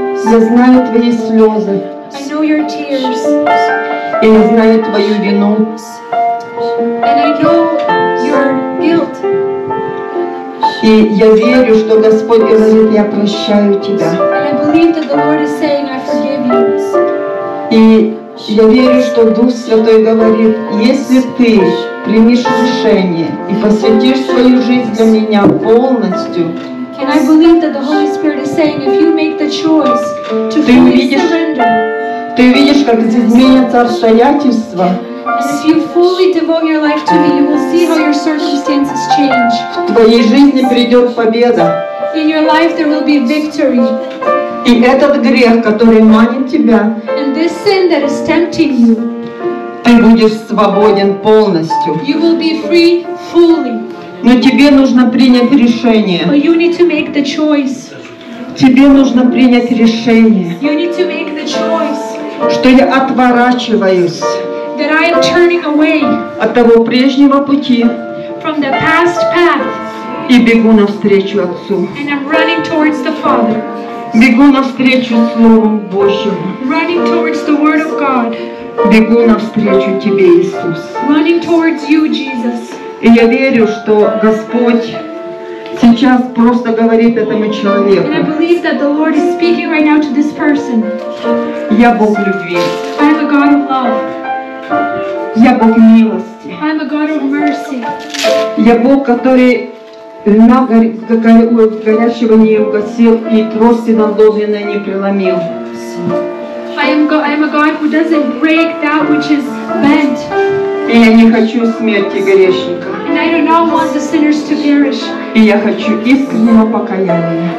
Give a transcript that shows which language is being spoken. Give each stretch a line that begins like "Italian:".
Russian: Я знаю твои слезы.
English: I know your tears.
Russian: И я знаю твою вину.
English: And I know your guilt.
Russian: И я верю, что Господь говорит, я прощаю тебя.
English: And I believe that the Lord is saying, I forgive you.
Russian: И я верю, что Дух Святой говорит, если ты примешь решение и посвятишь свою жизнь для меня полностью,
English: and I believe that the Holy Spirit is saying, if you make the choice to fully surrender,
Russian: ты видишь, как изменятся обстоятельства. В твоей жизни придет победа.
English: In your life there will be victory.
Russian: И этот грех, который манит тебя,
English: and this sin that is tempting you,
Russian: ты будешь свободен полностью.
English: You will be free fully.
Russian: Но тебе нужно принять решение.
English: But you need to make the choice.
Russian: Тебе нужно принять решение.
English: You need to make the choice.
Russian: Что я отворачиваюсь,
English: that I am turning away
Russian: от того прежнего пути,
English: from the past path,
Russian: И бегу навстречу Отцу.
English: And I'm running towards the Father.
Russian: Бегу навстречу Слову Божьему.
English: Running towards the Word of God.
Russian: Бегу навстречу Тебе, Иисус.
English: Running towards you, Jesus.
Russian: И я верю, что Господь сейчас просто говорит этому человеку.
English: And I believe that the Lord is speaking right now to this person.
Russian: Я Бог любви.
English: I'm a God of love.
Russian: Я Бог милости.
English: I'm a God of mercy.
Russian: Я Бог, который льна горящего не угасил и трости надломленной не преломил.
English: I am a God who doesn't break that which is bent.
Russian: И я не хочу смерти грешника.
English: And I do not want the sinners to perish.
Russian: И я хочу искреннего покаяния.